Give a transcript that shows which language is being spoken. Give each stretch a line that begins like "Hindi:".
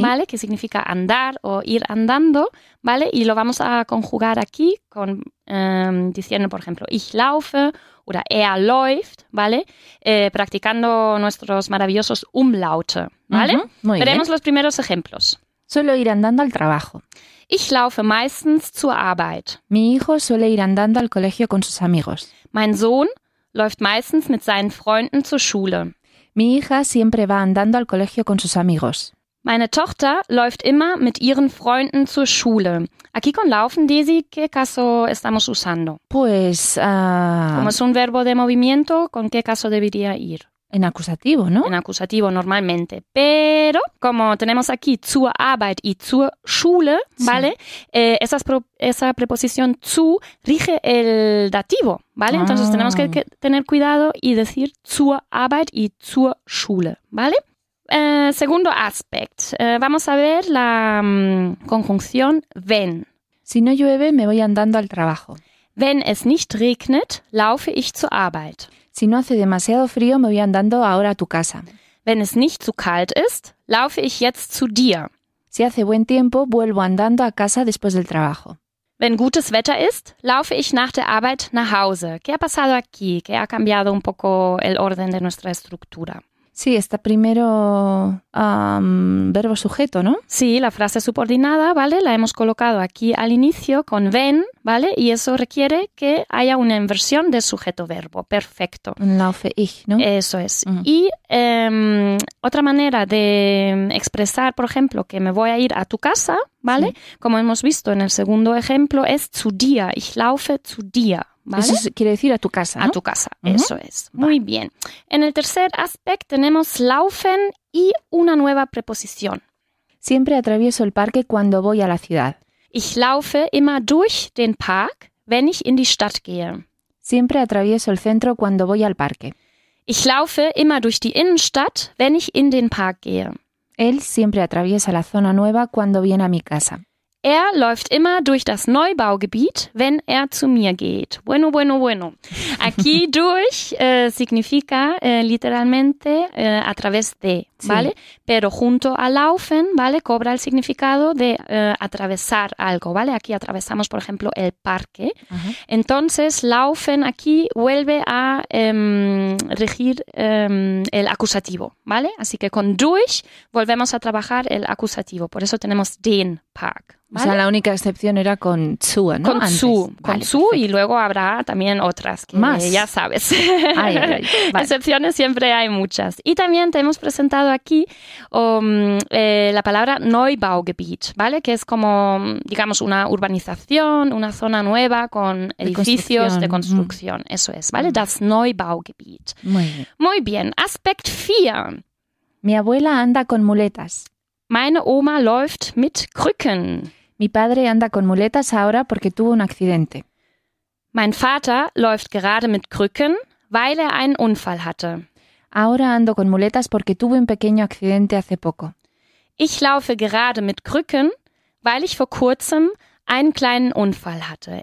Spanish: ¿Vale? Que significa andar o ir andando, ¿vale? Y lo vamos a conjugar aquí con diciendo, por ejemplo,
German: ich laufe oder er läuft,
Spanish: ¿vale? Practicando nuestros maravillosos umlaute, ¿vale? Uh-huh. Muy Veremos bien. Los primeros ejemplos. Suelo ir andando al trabajo.
German: Ich laufe meistens zur Arbeit.
Spanish: Mi hijo suele ir andando al colegio con sus amigos.
German: Mein Sohn läuft meistens mit seinen Freunden zur Schule.
Spanish: Mi hija siempre va andando al colegio con sus amigos.
German: Meine Tochter läuft immer mit ihren Freunden zur Schule.
Spanish: Aquí con laufen, Daisy, ¿qué caso estamos usando? Pues, Como es un verbo de movimiento, ¿con qué caso debería ir? En acusativo, ¿no? En acusativo normalmente. Pero como tenemos aquí zur Arbeit y zur Schule, ¿vale? Esa preposición zu rige el dativo, ¿vale? Entonces tenemos que tener cuidado y decir zur Arbeit y zur Schule, ¿vale? Segundo aspect. Vamos a ver la conjunción wenn. Si no llueve, me voy andando al trabajo.
German: Wenn es nicht regnet, laufe ich zur Arbeit.
Spanish: Si no hace demasiado frío, me voy andando ahora a tu casa.
German: Wenn es nicht zu kalt ist, laufe ich jetzt zu dir.
Spanish: Si hace buen tiempo, vuelvo andando a casa después del trabajo.
German: Wenn gutes Wetter ist, laufe ich nach der Arbeit nach Hause.
Spanish: ¿Qué ha pasado aquí? ¿Qué ha cambiado un poco el orden de nuestra estructura? Sí, está primero verbo sujeto, ¿no? Sí, la frase subordinada, ¿vale? La hemos colocado aquí al inicio con wenn, ¿vale? Y eso requiere que haya una inversión de sujeto-verbo. Perfecto. Laufe ich, ¿no? Eso es. Uh-huh. Y otra manera de expresar, por ejemplo, que me voy a ir a tu casa, ¿vale? Sí. Como hemos visto en el segundo ejemplo, es zu dir.
German: Ich laufe zu dir. ¿Vale?
Spanish: Eso quiere decir a tu casa, ¿no? A tu casa, uh-huh. Eso es. Muy vale. Bien. En el tercer aspecto tenemos laufen y una nueva preposición. Siempre atravieso el parque cuando voy a la ciudad.
German: Ich laufe immer durch den Park, wenn ich in die Stadt gehe.
Spanish: Siempre atravieso el centro cuando voy al parque.
German: Ich laufe immer durch die Innenstadt, wenn ich in den Park gehe.
Spanish: Él siempre atraviesa la zona nueva cuando viene a mi casa.
German: Er läuft immer durch das Neubaugebiet, wenn er zu mir geht.
Spanish: Bueno, bueno, bueno. Aquí durch significa literalmente a través de, ¿vale? Sí. Pero junto a laufen, ¿vale? Cobra el significado de atravesar algo, ¿vale? Aquí atravesamos, por ejemplo, el parque. Uh-huh. Entonces, laufen aquí vuelve a regir el acusativo, ¿vale? Así que con durch volvemos a trabajar el acusativo. Por eso tenemos den Park. ¿Vale? O sea, la única excepción era con zu, ¿no? Con antes. Zu, vale, con perfecto. Zu y luego habrá también otras que más. Ya sabes. Ay, ay, vale. Excepciones siempre hay muchas. Y también te hemos presentado aquí la palabra Neubaugebiet, ¿vale? Que es como, digamos, una urbanización, una zona nueva con edificios de construcción. Mm. Eso es, ¿vale? Mm. Das Neubaugebiet. Muy bien. Aspect 4. Mi abuela anda con muletas.
German: Meine Oma läuft mit Krücken.
Spanish: Mi padre anda con muletas ahora porque tuvo un accidente.
German: Mein Vater läuft gerade mit Krücken, weil er einen Unfall hatte.
Spanish: Ahora ando con muletas porque tuve un pequeño accidente hace poco.
German: Ich laufe gerade mit Krücken, weil ich vor kurzem einen kleinen Unfall hatte.